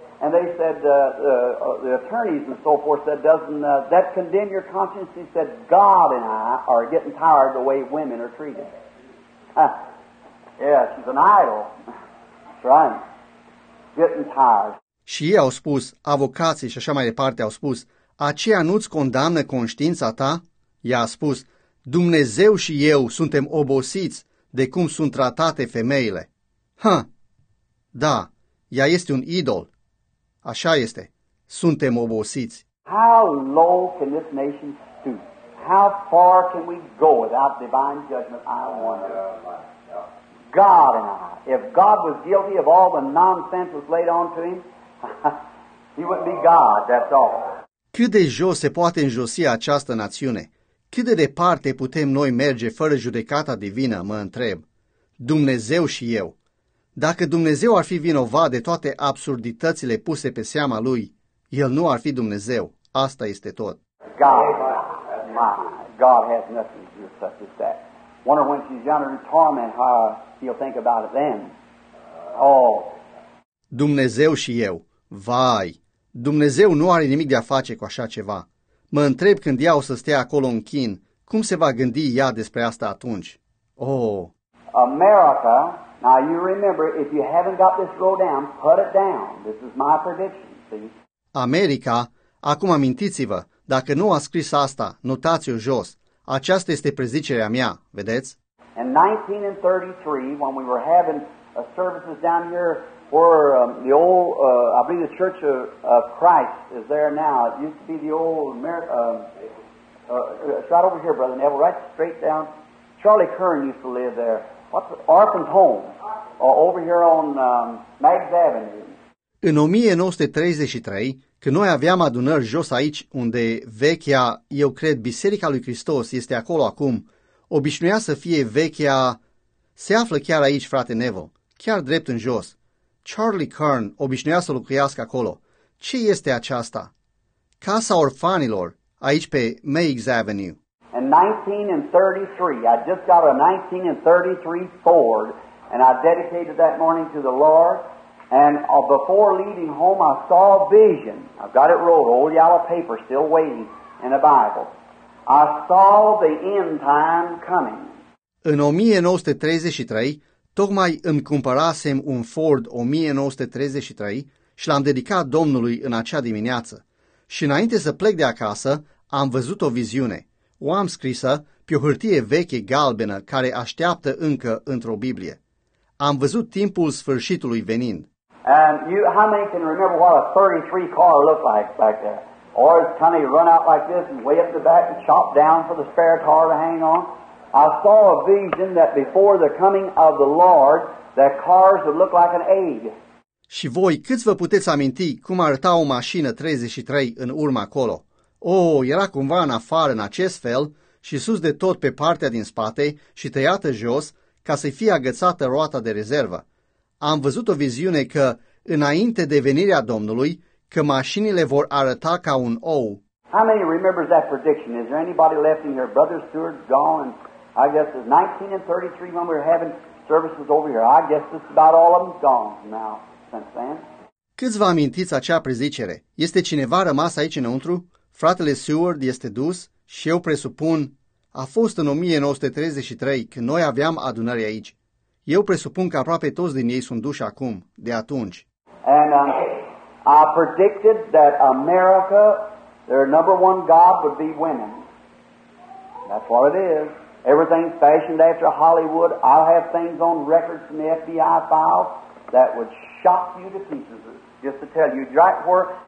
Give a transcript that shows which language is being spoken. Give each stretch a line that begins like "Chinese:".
English: And they said, the attorneys and so forth said, doesn't that condemn your conscience? He said, God and I are getting tired of the way women are treated. Yeah, she's an idol. That's right. Getting tired.
Romanian: Și ei au spus, avocații și așa mai departe au spus, aceea nu-ți condamnă conștiința ta? Ea a spus, Dumnezeu și eu suntem obosiți de cum sunt tratate femeile. Ha! Da, ea este un idol. Așa este. Suntem obosiți.
English: How low can this nation stoop? How far can we go without divine judgment? I wonder. God and I, if God was guilty of all the nonsense was laid onto him, he wouldn't be God, that's all.
Romanian: Cât de jos se poate înjosi această națiune? Cât de departe putem noi merge fără judecata divină, mă întreb? Dumnezeu și eu. Dacă Dumnezeu ar fi vinovat de toate absurditățile puse pe seama Lui, El nu ar fi Dumnezeu. Asta este tot.
English: God, my, God has nothing to do with such as that. Wonder when she's yonder in torment how he'll think about it then. Oh.
Romanian: Dumnezeu și eu. Vai! Dumnezeu nu are nimic de a face cu așa ceva. Mă întreb când ea o să stea acolo în chin, cum se va gândi ea despre asta atunci? Oh!
English: America, now you remember, if you haven't got this road down, put it down. This is my prediction, see?
Romanian: America, acum amintiți-vă, dacă nu a scris asta, notați-o jos. Aceasta este prezicerea mea, vedeți?
English: In 1933, when we were having services down here, or the old, I believe the Church of Christ is there now. It used to be the old, right over here, Brother Neville, right straight down. Charlie Kern used to live there. What's it? Orphan's Home, over here on Maggs Avenue.
Romanian: În 1933, când noi aveam adunări jos aici, unde vechea, eu cred, Biserica lui Hristos este acolo acum, obișnuia să fie vechea, se află chiar aici, frate Neville, chiar drept în jos. Charlie Kern obișnuia să locuiască acolo. Ce este aceasta? Casa orfanilor, aici pe Meigs Avenue.
English: In 1933, I just got a 1933 Ford, and I dedicated that morning to the Lord, and before leaving home, I saw a vision. I've got it rolled, old yellow paper, still waiting, in a Bible. I saw the end time coming.
Romanian: În 1933, tocmai îmi cumpărasem un Ford 1933 și l-am dedicat Domnului în acea dimineață. Și înainte să plec de acasă, am văzut o viziune. O am scrisă pe o hârtie veche galbenă care așteaptă încă într-o Biblie. Am văzut timpul sfârșitului venind.
English: And you, how many can remember what a 33 car looked like back there? Or it's kind of run out like this and way up the back and chopped down for the spare car to hang on? I saw a vision that before the coming of the Lord, that cars would look like an egg.
Romanian: Și voi, câți vă puteți aminti cum arăta o mașină 33 în urma acolo? Oh, era cumva în afară în acest fel și sus de tot pe partea din spate și tăiată jos ca să-i fie agățată roata de rezervă. Am văzut o viziune că, înainte de venirea Domnului, că mașinile vor arăta ca un ou.
English: How many remembers that prediction? Is there anybody left in here? Brother Stewart gone and... I guess it's 1933 when we were having services over here. I guess it's about all of them gone now since then.
Romanian: Câți vă amintiți acea prezicere? Este cineva rămas aici înăuntru? Fratele Seward este dus și eu presupun, a fost în 1933 când noi aveam adunări aici. Eu presupun că aproape toți din ei sunt duși acum, de atunci.
English: And I predicted that America, their number one God would be women. That's what it is. Everything's fashioned after Hollywood. I'll have things on record from the FBI files that would shock you to pieces, just to tell you right where.